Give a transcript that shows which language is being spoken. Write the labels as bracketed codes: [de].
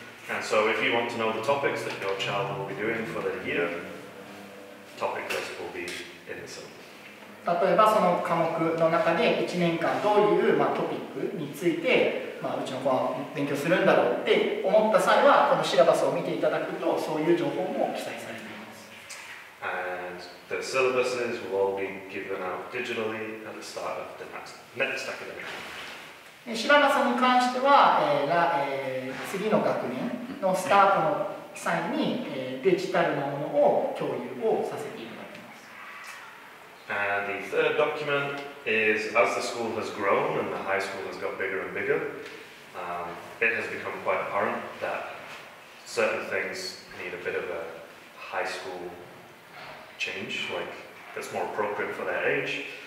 [en] And so if you want to know the topics that your child will be doing for the year, topic list will be in the syllabus. [ja] 例えばその科目の中で1年間どういう、まあ、トピックについて、まあ、うちの子は勉強するんだろうって思った際はこのシラバスを見ていただくとそういう情報も記載されています。 [en] And the syllabuses will all be given out digitally at the start of the next academic year. [ja] シラバスに関しては、次の学年のスタートの際に、デジタルのものを共有をさせていただきます。 [en] And the third document is, as the school has grown and the high school has got bigger and bigger, it has become quite apparent that certain things need a bit of a high school change, like that's more appropriate for their age.